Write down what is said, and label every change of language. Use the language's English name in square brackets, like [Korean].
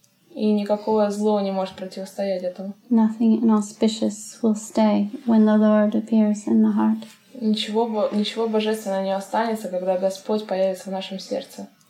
[Russian] И никакое зло не может противостоять этому. [English] Nothing inauspicious will stay when the Lord appears in the heart. [Russian] Ничего божественного не останется, когда Господь появится в нашем сердце.